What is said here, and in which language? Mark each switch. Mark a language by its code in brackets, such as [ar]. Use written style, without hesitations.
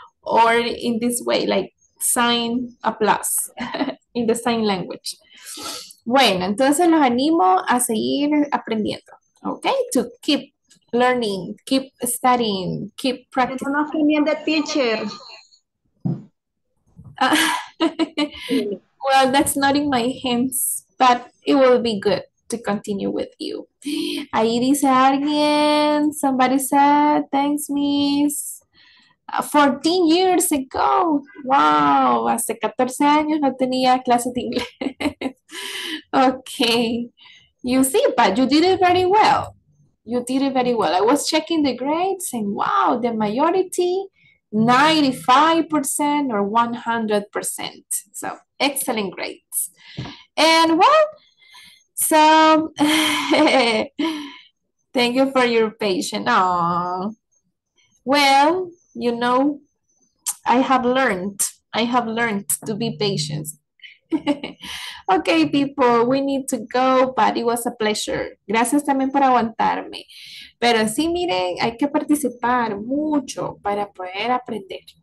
[en] Or in this way, like sign applause in the sign language. [es] Bueno, entonces los animo a seguir aprendiendo, ¿ok? [en] To keep learning, keep studying, keep practicing. [es] Es una opinión de teacher. [en] Well, that's not in my hands, but it will be good to continue with you. [es] Ahí dice alguien, [en] somebody said, thanks, miss. 14 years ago, wow, [es] hace 14 años no tenía clases de inglés. [en] Okay, you see, but you did it very well. You did it very well. I was checking the grades and wow, the majority, 95% or 100%. So excellent grades. And well, so thank you for your patience. Oh, well, you know, I have learned to be patient. Okay, people, we need to go, but it was a pleasure. [es] Gracias también por aguantarme. Pero sí, miren, hay que participar mucho para poder aprender.